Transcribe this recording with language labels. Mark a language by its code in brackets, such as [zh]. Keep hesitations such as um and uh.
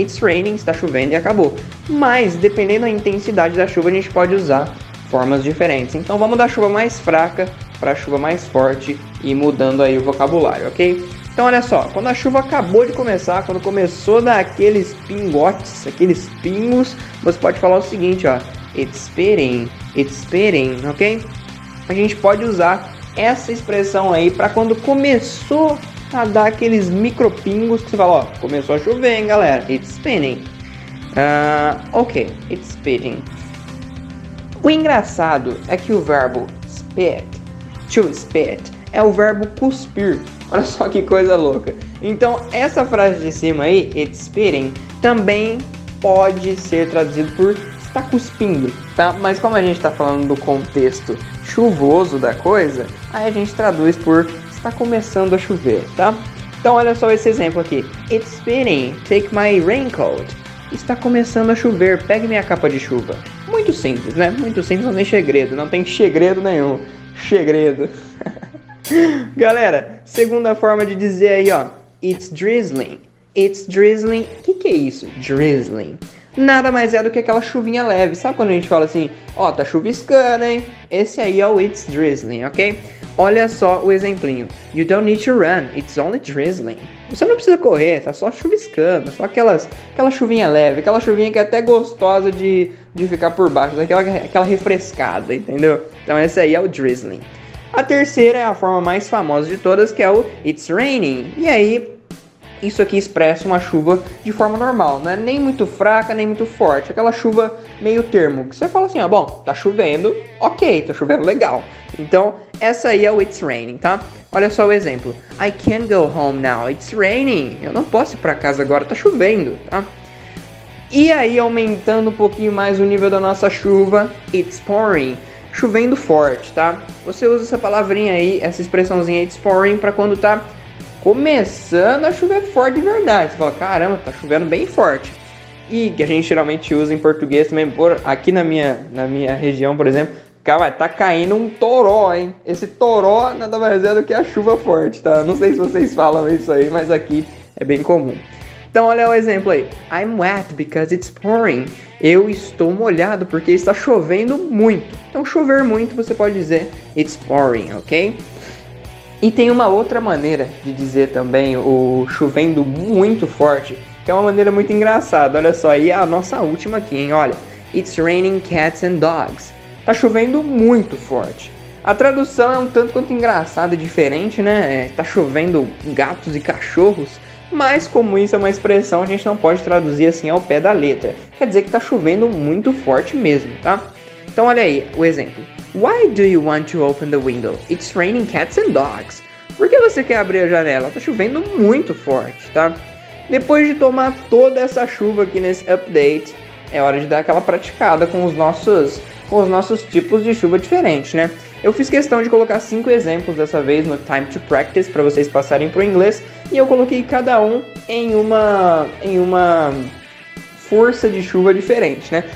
[en] It's raining, [pt] está chovendo e acabou. Mas, dependendo da intensidade da chuva, a gente pode usar formas diferentes. Então, vamos da chuva mais fraca para chuva mais forte e mudando aí o vocabulário, ok? Então, olha só, quando a chuva acabou de começar, quando começou a dar aqueles pingotes, aqueles pingos, você pode falar o seguinte, ó. [en] It's spitting, it's spitting, ok? [pt] a gente pode usar essa expressão aí para quando começou a dar aqueles micropingos que você fala, ó, começou a chover, hein, galera? [en] It's spinning. [pt] Ah, ok, [en] it's spitting. [pt] O engraçado é que o verbo spit, to spit, é o verbo cuspir. Olha só que coisa louca. Então, essa frase de cima aí, [en] it's spitting, [pt] também pode ser traduzido por está cuspindo, tá? Mas como a gente está falando do contexto chuvoso da coisa, aí a gente traduz por está começando a chover, tá? Então, olha só esse exemplo aqui. [en] It's spitting, take my raincoat. [pt] Está começando a chover, pegue minha capa de chuva. Muito simples, né? Muito simples, não tem segredo, não tem segredo nenhum. Segredo. Galera, segunda forma de dizer aí, ó. [en] It's drizzling. It's drizzling. [pt] O que, que é isso? Drizzling. Nada mais é do que aquela chuvinha leve. Sabe quando a gente fala assim, ó, tá chuviscando, hein? Esse aí é o [en] It's drizzling, [pt] ok? Olha só o exemplinho. [en] You don't need to run, it's only drizzling. [pt] Você não precisa correr, tá só chuviscando, só aquelas, aquela chuvinha leve, aquela chuvinha que é até gostosa de, de ficar por baixo, daquela, aquela refrescada, entendeu? Então esse aí é o drizzling. A terceira é a forma mais famosa de todas, que é o [en] It's Raining. [pt] E aí, isso aqui expressa uma chuva de forma normal, não é nem muito fraca, nem muito forte, aquela chuva meio termo, que você fala assim, ó, bom, tá chovendo, ok, tá chovendo legal. Então, essa aí é o [en] It's Raining, [pt] tá? Olha só o exemplo. [en] I can't go home now, it's raining. [pt] Eu não posso ir pra casa agora, tá chovendo, tá? E aí, aumentando um pouquinho mais o nível da nossa chuva, [en] it's pouring. [pt] Chovendo forte, tá? Você usa essa palavrinha aí, essa expressãozinha [en] it's pouring, [pt] pra quando tá começando a chover forte de verdade. Você fala, caramba, tá chovendo bem forte. E que a gente geralmente usa em português também, por aqui na minha, na minha região, por exemplo, cara, tá caindo um toró, hein? Esse toró nada mais é do que a chuva forte, tá? Não sei se vocês falam isso aí, mas aqui é bem comum. Então olha o exemplo aí. [en] I'm wet because it's pouring. [pt] Eu estou molhado porque está chovendo muito. Então chover muito você pode dizer [en] it's pouring, [pt] ok? E tem uma outra maneira de dizer também o chovendo muito forte, que é uma maneira muito engraçada. Olha só, e é a nossa última aqui, hein? [en] Olha, it's raining cats and dogs. [pt] Tá chovendo muito forte. A tradução é um tanto quanto engraçada e diferente, né? É, tá chovendo gatos e cachorros, mas como isso é uma expressão, a gente não pode traduzir assim ao pé da letra. Quer dizer que tá chovendo muito forte mesmo, tá? Então olha aí o exemplo. [en] Why do you want to open the window? It's raining cats and dogs. [pt] Por que você quer abrir a janela? Tá chovendo muito forte, tá? Depois de tomar toda essa chuva aqui nesse update, é hora de dar aquela praticada com os nossos com os nossos tipos de chuva diferentes, né? Eu fiz questão de colocar cinco exemplos dessa vez no Time to Practice para vocês passarem pro inglês e eu coloquei cada um em uma em uma força de chuva diferente, né?